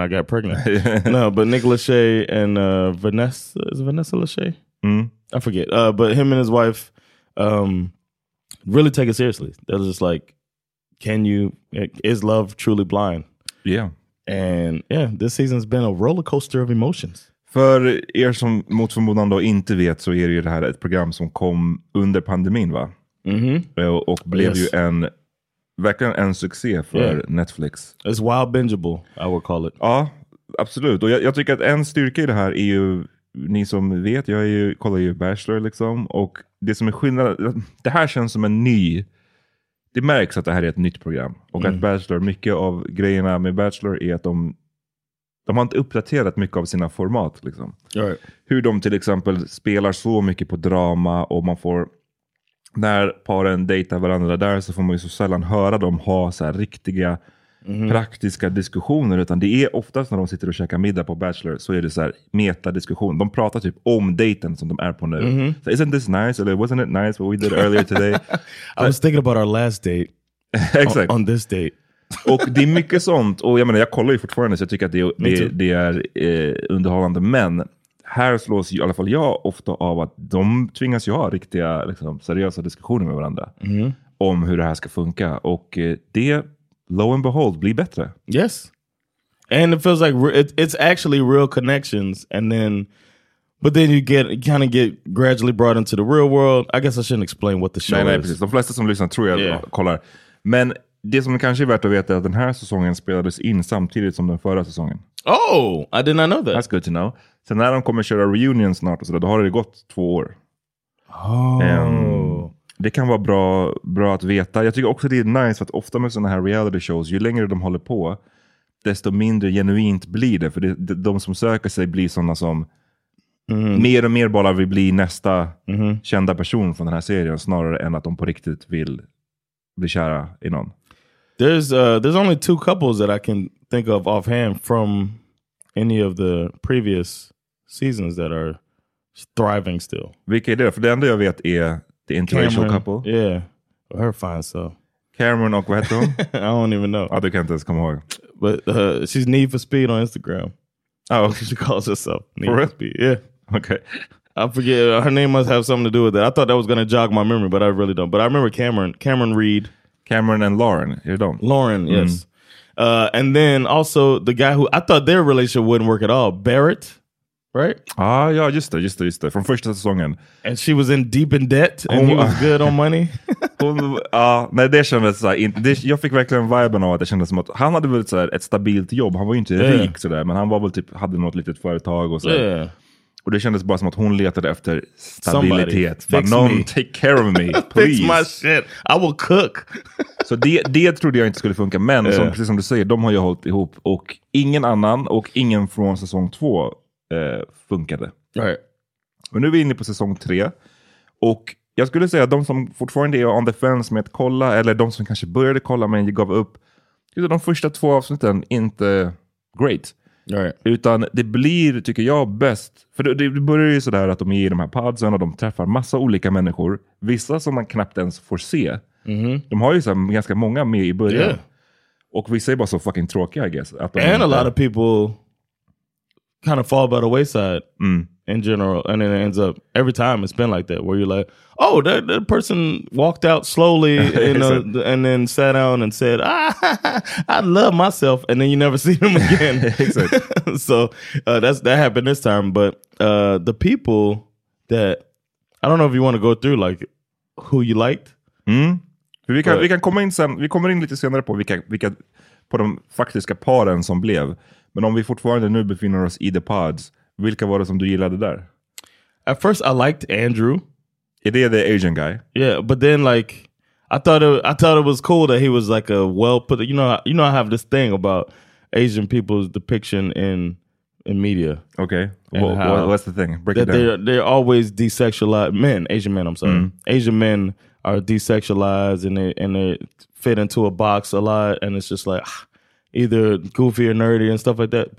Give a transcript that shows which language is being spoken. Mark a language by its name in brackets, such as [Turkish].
[English] I got pregnant. No, but Nick Lachey and Vanessa. Is it Vanessa Lachey? I forget. But him and his wife really take it seriously. They're just like, is love truly blind? Yeah. And yeah, this season's been a roller coaster of emotions. [Swedish] För er som mot förmodan då inte vet så är det ju det här ett program som kom under pandemin, va? Och blev ju en... verkligen en succé för Netflix. [English] It's wild bingeable, I would call it. [Swedish] Ja, absolut. Och jag tycker att en styrka i det här är ju, ni som vet, jag kollar ju Bachelor liksom. Och det som är skillnad, det här känns som en ny, det märks att det här är ett nytt program. Och att Bachelor, mycket av grejerna med Bachelor är att de har inte uppdaterat mycket av sina format liksom. [English] Right. [Swedish] Hur de till exempel spelar så mycket på drama och man får... när paren dejtar varandra där så får man ju så sällan höra dem ha så här riktiga praktiska diskussioner. Utan det är oftast när de sitter och käkar middag på Bachelor så är det så här metadiskussion. De pratar typ om dejten som de är på nu. [English] So, isn't this nice? Or, wasn't it nice what we did earlier today? I was thinking about our last date. [Swedish] Exakt. [English] On this date. [Swedish] Och det är mycket sånt. Och jag menar, jag kollar ju fortfarande så jag tycker att det är underhållande. Men... här slås ju, i alla fall jag ofta av att de tvingas ju ha riktiga liksom, seriösa diskussioner med varandra om hur det här ska funka. Och det, [English] lo and behold, [Swedish] blir bättre. [English] Yes. And it feels like it's actually real connections. And then, but then you kind of get gradually brought into the real world. I guess I shouldn't explain what the show is. [Swedish] Nej, precis. De flesta som lyssnar tror jag kollar. Men det som kanske är värt att veta är att den här säsongen spelades in samtidigt som den förra säsongen. [English] Oh, I did not know that. That's good to know. [Swedish] Sen när de kommer köra reunion snart och sådär, då har det gått 2 år. [English] Oh. [Swedish] Det kan vara bra att veta. Jag tycker också det är nice att ofta med sådana här reality shows, ju längre de håller på, desto mindre genuint blir det. För de som söker sig blir sådana som mer och mer bara vill bli nästa kända person från den här serien, snarare än att de på riktigt vill bli kära i någon? [English] There's only two couples that I can think of offhand from any of the previous seasons that are thriving still. [Swedish] Vilka är det? För det enda jag vet är [English] the interracial [Swedish] Cameron, [English] couple. Yeah, her fine so. [Swedish] Cameron och vad heter hon? [English] I don't even know. [Swedish] Ja, du kan inte ens komma ihåg. [English] But she's Need for Speed on Instagram. Oh, she calls herself Need for Speed. Yeah. Okay. I forget. Her name must have something to do with that. I thought that was going to jog my memory, but I really don't. But I remember Cameron Reed. Cameron and Lauren. You don't. Lauren, yes. Mm. And then also the guy who I thought their relationship wouldn't work at all, Barrett, right? Ah, yeah, just there. From [Swedish] första säsongen. [English] And she was in deep in debt, and he was good on money. [Swedish] Nej, det kändes så här. Jag fick verkligen viben av att det kändes som att han hade väl så här, ett stabilt jobb. Han var ju inte rik så där, men han var väl typ hade något litet företag och så. [English] Yeah. [Swedish] Och det kändes bara som att hon letade efter stabilitet. Bara, någon, [English] take care of me, please. Fix my shit. I will cook. [Swedish] Så det trodde jag inte skulle funka. Men yeah, som, precis som du säger, de har ju hållit ihop. Och ingen annan och ingen från säsong två funkade. [English] Right. [Swedish] Och nu är vi inne på säsong tre. Och jag skulle säga att de som fortfarande är [English] on the fence [Swedish] med att kolla, eller de som kanske började kolla men gav upp, de första två avsnitten inte great. [English] Right. [Swedish] Utan det blir, tycker jag, bäst. För det börjar ju sådär att de är i de här padsen och de träffar massa olika människor. Vissa som man knappt ens får se. Mm-hmm. De har ju så ganska många med i början. Yeah. Och vissa är bara så fucking tråkiga, [English] I guess. [Swedish] Att de [English] and inte... a lot of people kind of fall by the wayside. Mm. In general, and it ends up every time it's been like that, where you're like, oh, that person walked out slowly in a, and then sat down and said, I love myself, and then you never see them again. So that happened this time. But the people that I don't know if you want to go through, like who you liked. Mm. [Swedish] Vi kan komma in sen, vi kommer in lite senare på vilka på de faktiska paren som blev. Men om vi fortfarande nu befinner oss i [English] the pods, [Swedish] vilka var det som du gillade där? [English] At first, I liked Andrew. [Swedish] Är det [English] the Asian guy? Yeah, but then like I thought it was cool that he was like a well put. You know, I have this thing about Asian people's depiction in media. Okay, what's the thing? Break that it down. They're always desexualized men. Asian men. I'm sorry. Mm-hmm. Asian men are desexualized and they fit into a box a lot, and it's just like either goofy or nerdy and stuff like that.